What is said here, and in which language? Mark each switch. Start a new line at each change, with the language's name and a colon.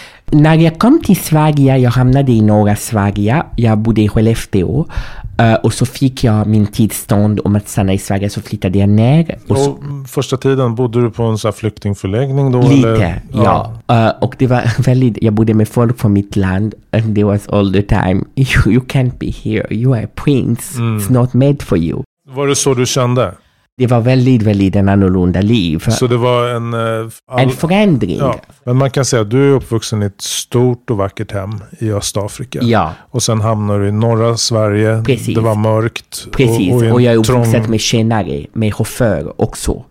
Swedish: När jag kom till Sverige, jag hamnade i norra Sverige, jag bodde i Skellefteå. Och så fick jag min tillstånd om att stanna i Sverige, så flyttade jag ner. Och så, första tiden, bodde du på en sån här flyktingförläggning då? Lite, eller? Ja. Och det var väldigt, jag bodde med folk från mitt land.
English: And they was all the time, you can't be here, you are a prince, mm. it's not made for you.
Swedish: Var det så du kände? Det var väldigt, väldigt en annorlunda liv. Så det var en... en förändring. Ja. Men man kan säga att du är uppvuxen i ett stort och vackert hem i Östafrika. Ja. Och sen hamnar du i norra Sverige. Precis. Det var mörkt. Precis, och jag är uppvuxen med tjänare, med chaufför också.